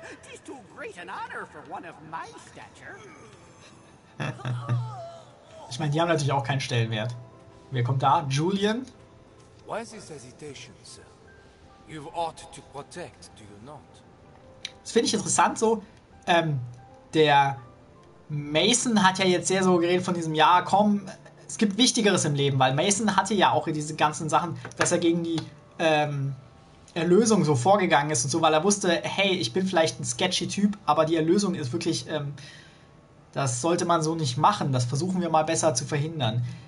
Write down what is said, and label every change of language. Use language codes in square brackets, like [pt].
[en] Tis too great an honor for one of my stature. [de] Ich meine, die haben natürlich auch keinen Stellenwert. Wer kommt da? Julian? [en] Why this hesitation, sir? You've ought to protect, do you not? [de] Das finde ich interessant so. Der Mason hat ja jetzt sehr so geredet von diesem, ja, komm. Es gibt Wichtigeres im Leben, weil Mason hatte ja auch diese ganzen Sachen, dass er gegen die Erlösung so vorgegangen ist und so, weil er wusste, hey, ich bin vielleicht ein sketchy Typ, aber die Erlösung ist wirklich, das sollte man so nicht machen, das versuchen wir mal besser zu verhindern.